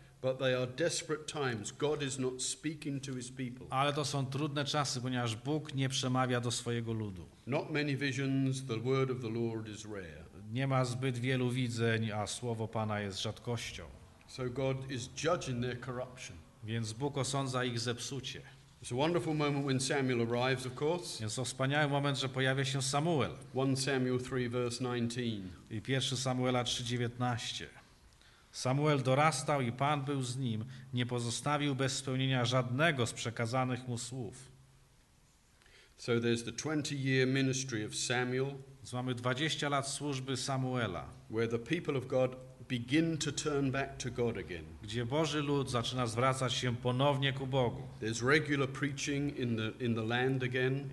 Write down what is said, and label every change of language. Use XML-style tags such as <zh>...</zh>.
<en>But they are desperate times. God is not speaking to his people.</en> <pl>Ale to są trudne czasy, ponieważ Bóg nie przemawia do swojego ludu.</pl> <en>Not many visions, the word of the Lord is rare.</en> <pl>Nie ma zbyt wielu widzeń, a słowo Pana jest rzadkością.</pl> <en>So God is judging their corruption.</en> <pl>Więc Bóg osądza ich zepsucie.</pl> <en>It's a wonderful moment when Samuel arrives, of course.</en> <pl>Jest to wspaniały moment, że pojawia się Samuel.</pl> <en>1 Samuel 3 verse 19.</en> <pl>I 1 Samuela 3:19. Samuel dorastał i Pan był z nim, nie pozostawił bez spełnienia żadnego z przekazanych mu słów.</pl> <en>So there's the 20-year ministry of Samuel.</en> <pl>Mamy 20 lat służby Samuela.</pl> <en>Where the people of God begin to turn back to God again.</en> <pl>Gdzie Boży lud zaczyna zwracać się ponownie ku Bogu.</pl> <en>There's regular preaching in the land again.</en>